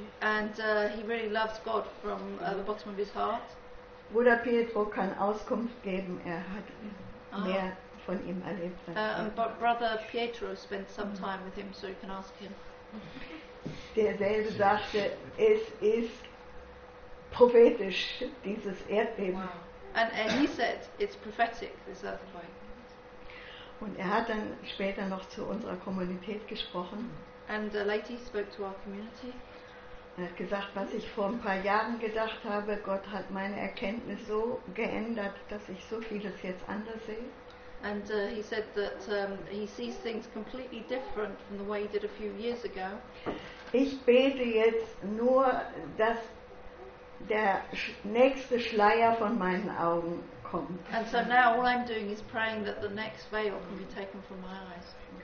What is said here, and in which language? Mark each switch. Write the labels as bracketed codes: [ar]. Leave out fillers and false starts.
[en] And he really loves God from the bottom of his heart. [de] Bruder Pietro kann Auskunft geben, er hat mehr von ihm erlebt. [en] But Brother Pietro spent some time with him, so you can ask him. [de] Derselbe sagte, es ist prophetisch, dieses Erdbeben. [en] Wow. And he said, it's prophetic, this earthquake. [de] Und er hat dann später noch zu unserer Kommunität gesprochen. [en] And later he spoke to our community. [de] Er hat gesagt, was ich vor ein paar Jahren gedacht habe, Gott hat meine Erkenntnis so geändert, dass ich so vieles jetzt anders sehe. [en] And he said that he sees things completely different from the way he did a few years ago. [de] Ich bete jetzt nur, dass der nächste Schleier von meinen Augen kommt. [en] And so now all I'm doing is praying that the next veil can be taken from my eyes.